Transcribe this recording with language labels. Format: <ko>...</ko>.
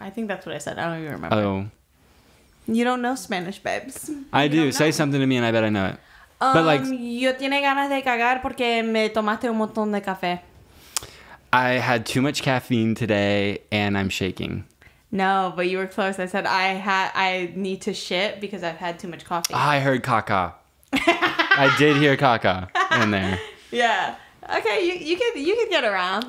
<en>I think that's what I said. I don't even remember. Oh. You don't know Spanish, babes. I do. Say something to me and I bet I know it. But like,</en> <es>yo tiene ganas de cagar porque me tomaste un montón de café.</es> <en>I had too much caffeine today and I'm shaking. No, but you were close. I said I need to shit because I've had too much coffee. I heard caca. I did hear caca in there. Yeah. Okay, you can get around.</en>